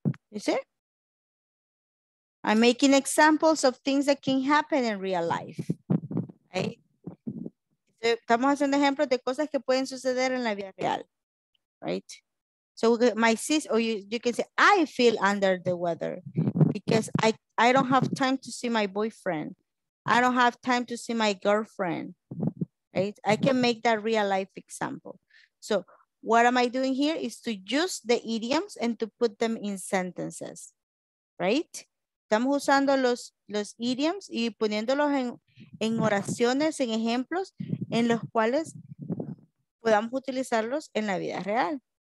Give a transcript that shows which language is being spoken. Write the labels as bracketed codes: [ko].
[en] You see? I'm making examples of things that can happen in real life. Right? [es] Estamos haciendo ejemplos de cosas que pueden suceder en la vida real. Right? [en] So my sister, or you can say, I feel under the weather because I don't have time to see my boyfriend. I don't have time to see my girlfriend. Right? I can make that real life example. So what am I doing here is to use the idioms and to put them in sentences. Right? [es] Estamos usando los idioms y poniéndolos en oraciones, en ejemplos, en los cuales podamos utilizarlos en la vida real.